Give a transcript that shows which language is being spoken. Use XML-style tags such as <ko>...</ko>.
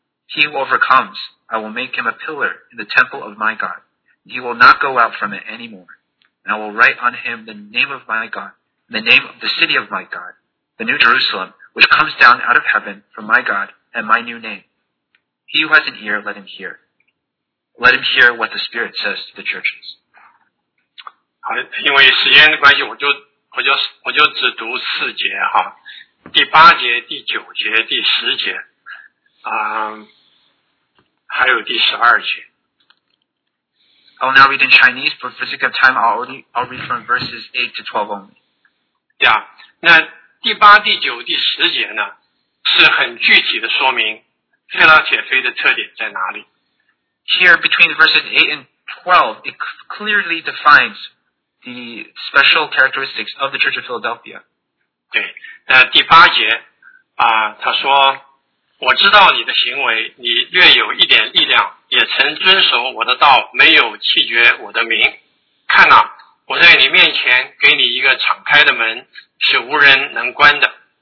<en>He who overcomes, I will make him a pillar in the temple of my God, and he will not go out from it anymore. And I will write on him the name of my God, and the name of the city of my God, the New Jerusalem, which comes down out of heaven from my God, and my new name. He who has an ear, let him hear. Let him hear what the Spirit says to the churches.</en> <zh>因为时间的关系，我就只读四节哈，第八节、第九节、第十节，还有第十二节。</zh> <en>I'll now read in Chinese, but for sake of time, I'll read from verses 8 to 12 only.</en> <zh>Yeah, 那第八、第九、第十节呢，是很具体的说明腓拉铁菲的特点在哪里。</zh> <en>Here, between verses 8 and 12, it clearly defines the special characteristics of the Church of Philadelphia.</en> <zh>对，那第八节啊，他说，我知道你的行为，你略有一点力量，也曾遵守我的道，没有弃绝我的名。看哪，我在你面前给你一个敞开的门，是无人能关的。</zh>